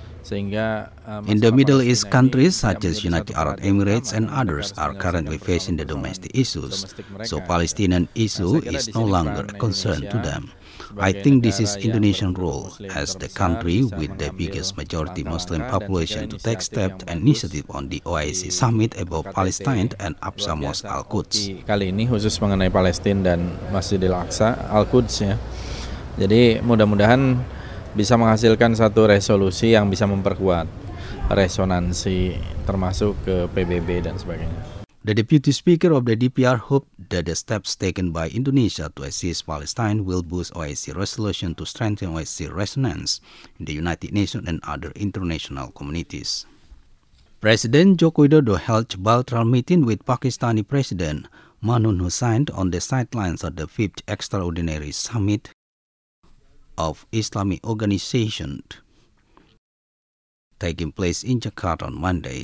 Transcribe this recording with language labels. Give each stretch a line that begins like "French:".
English: In the Middle East countries such as United Arab Emirates and others are currently facing the domestic issues, so Palestinian issue is no longer a concern to them. I think this is Indonesian role as the country with the biggest majority Muslim population to take steps and initiative on the OIC summit about Palestine and Aqsa Mosque Al-Quds.
Indonesian: Kali ini khusus mengenai Palestina dan Masjidil Aqsa Al-Quds ya. Jadi mudah-mudahan bisa menghasilkan satu resolusi yang bisa memperkuat resonansi termasuk ke PBB dan sebagainya.
English: The Deputy Speaker of the DPR hoped that the steps taken by Indonesia to assist Palestine will boost OIC resolution to strengthen OIC resonance in the United Nations and other international communities. President Joko Widodo held a bilateral meeting with Pakistani President Manun Hussain on the sidelines of the 5th Extraordinary Summit of Islamic Organization taking place in Jakarta on Monday.